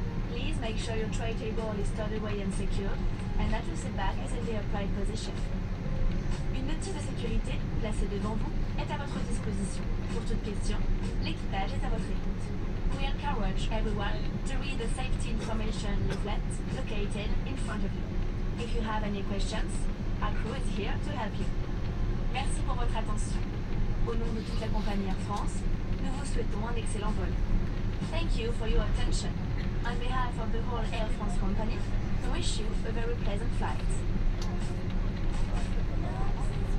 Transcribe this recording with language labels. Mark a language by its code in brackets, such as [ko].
[en] Please make sure your tray table is stowed away and secured, and that your seat back is in the upright position. [fr] Une outil de sécurité placée devant vous est à votre disposition. Pour toute question, l'équipage est à votre écoute. [en] We encourage everyone to read the safety information leaflet located in front of you. If you have any questions, our crew is here to help you. [fr] Merci pour votre attention. Au nom de toute la compagnie Air France, nous vous souhaitons un excellent vol. [en] Thank you for your attention. On behalf of the whole Air France company, we wish you a very pleasant flight.